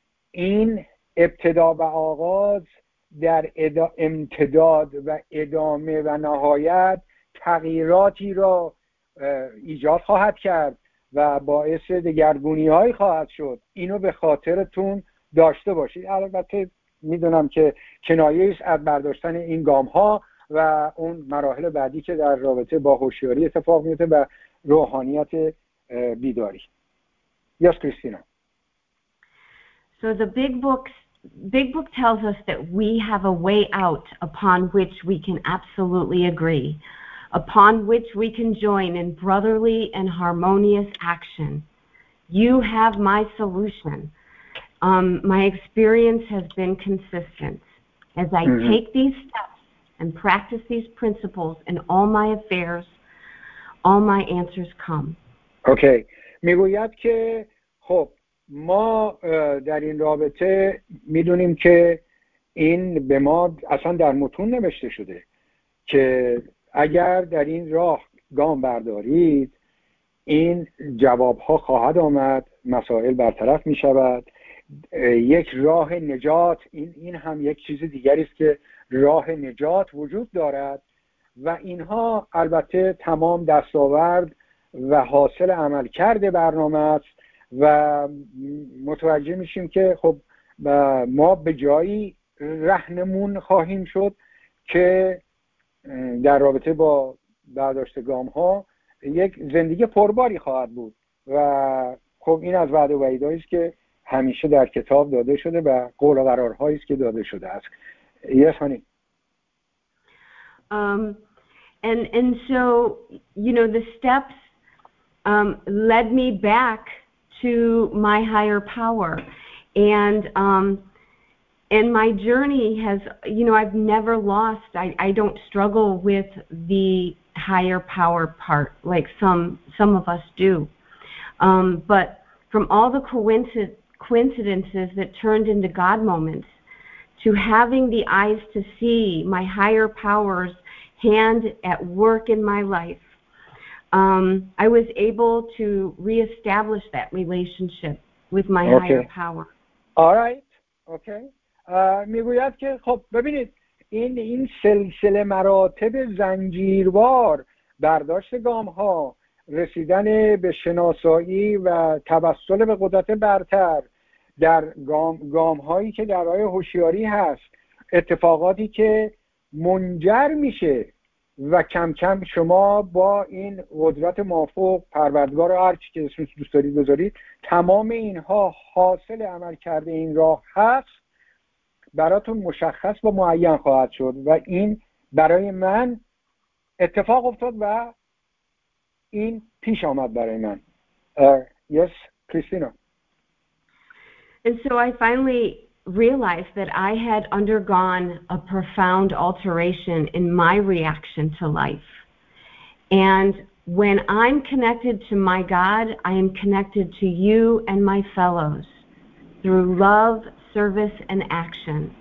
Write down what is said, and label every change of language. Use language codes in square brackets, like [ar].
[fa] این ابتدا و آغاز در امتداد و ادامه و نهایت تغییراتی را ایجاد خواهد کرد و باعث دگرگونی های خواهد شد. اینو به خاطرتون داشته باشید. البته میدونم که کنایه است از برداشتن این گام ها و اون مراحل بعدی که در رابطه با هوشیاری اتفاق میفته و روحانیت بیداری. [en] یاس Christina. So the big book tells us that we have a way out upon which we can absolutely agree, upon which we can join in brotherly and harmonious action. You have my solution. My experience has been consistent. As I take these steps and practice these principles in all my affairs, all my answers come. Okay. [fa] میگوید که خب ما در این رابطه میدونیم که این به ما اصلا در متون نوشته شده که اگر در این راه گام بردارید این جواب ها خواهد آمد، مسائل برطرف می شود، یک راه نجات، این هم یک چیز دیگری است که راه نجات وجود دارد و اینها البته تمام دستاورد و حاصل عمل کرده برنامه است و متوجه میشیم که خب ما به جایی رهنمون خواهیم شد که در رابطه با برداشت گام ها یک زندگی پرباری خواهد بود و خب این از وعده و وعیدهایی است که همیشه در کتاب داده شده و قول و قرارهایی است که داده شده است. [en] Yes, honey. And so, you know, the steps led me back to my higher power, and my journey has, you know, I've never lost. I don't struggle with the higher power part like some of us do. But from all the coincidences that turned into God moments, to having the eyes to see my higher power's hand at work in my life, I was able to reestablish that relationship with my higher power. All right. Okay. [fa] میگوید که خب ببینید این سلسله مراتب زنجیروار برداشت گام ها، رسیدن به شناسایی و توسل به قدرت برتر در گام هایی که در راه هوشیاری هست، اتفاقاتی که منجر میشه و کم کم شما با این قدرت مافوق پروردگار هرچی که اسمش دوست دارید بذارید، تمام اینها حاصل عمل کرده این راه هست، براتون مشخص و معین خواهد شد. و این برای من اتفاق افتاد و این پیش آمد برای من. [en] Yes, Christina. And so I finally realized that I had undergone a profound alteration in my reaction to life. And when I'm connected to my God, I am connected to you and my fellows through love, service, and action.